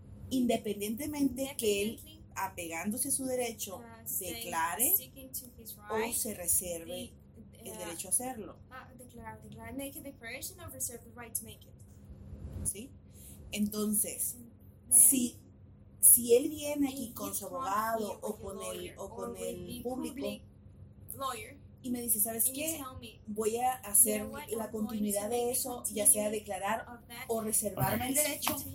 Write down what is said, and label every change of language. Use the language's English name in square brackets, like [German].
[Spanish] Independientemente que él, apegándose a su derecho, declare o se reserve el derecho a hacerlo. [English] Make a declaration or reserve the right to make it. [Spanish] ¿Sí? Entonces, si él viene aquí con su abogado o con el público y me dice, ¿sabes qué? Voy a hacer la continuidad de eso, ya sea declarar o reservarme el derecho.